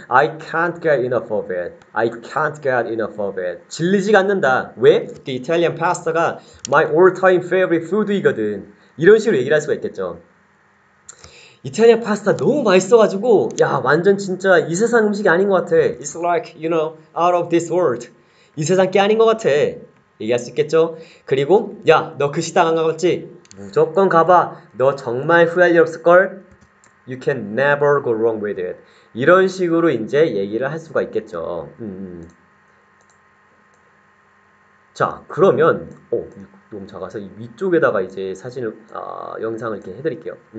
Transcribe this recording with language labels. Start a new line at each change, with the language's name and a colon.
English: I can't get enough of it. I can't get enough of it.
Korean: 질리지가 않는다. 왜? 그 이탈리안 파스타가
English: my all-time favorite food
Korean: 이거든. 이런 식으로 얘기를 할 수가 있겠죠. 이탈리아 파스타 너무 맛있어가지고, 야, 완전 진짜 이 세상 음식이 아닌 것 같아.
English: It's like, you know, out of this world.
Korean: 이 세상 게 아닌 것 같아. 얘기할 수 있겠죠? 그리고, 야, 너그 식당 안 가봤지? 무조건 가봐. 너 정말 후회할 일 없을걸?
English: You can never go wrong with it.
Korean: 이런 식으로 이제 얘기를 할 수가 있겠죠. 자, 그러면, 너무 작아서 이 위쪽에다가 이제 사진을, 영상을 이렇게 해드릴게요.